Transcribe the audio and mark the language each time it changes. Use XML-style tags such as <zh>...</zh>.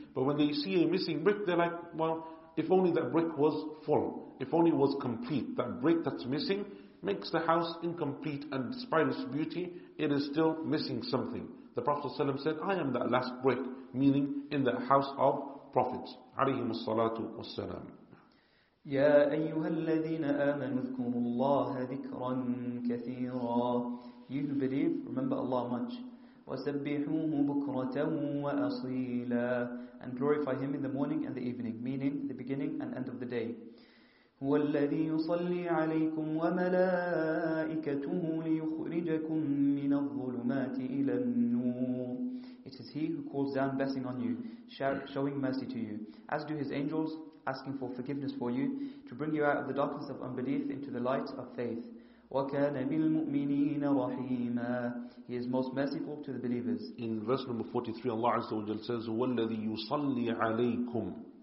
<en>But when they see a missing brick, they're like, well, if only that brick was full, if only it was complete. That brick that's missing makes the house incomplete, and despite its beauty, it is still missing something. The Prophet ﷺ said, I am that last brick, meaning in the house of prophets.</en> <ar>عليهم الصلاة والسلام. يا أيها الذين آمنوا اذكروا الله ذكرا كثيرا.</ar> <en>You who believe, remember Allah much.</en> <ar>وسبحوه بكرة وأصيلا.</ar> <en>And glorify Him in the morning and the evening, meaning the beginning and end of the day.</en> <ar>هو الذي يصلي عليكم وملائكته ليخرجكم من الظلمات إلى النور.</ar> <en>It is He who calls down blessing on you, showing mercy to you, as do His angels, asking for forgiveness for you, to bring you out of the darkness of unbelief into the light of faith.</en> <ar>وَكَانَ بِالْمُؤْمِنِينَ رَحِيمًا.</ar> <en>He is most merciful to the believers. In verse number 43, Allah</en> <ar>Azza wa Jalla</ar> <en>says,</en> <ar>وَالَّذِي يُصَلِّ عَلَيْكُمْ.</ar>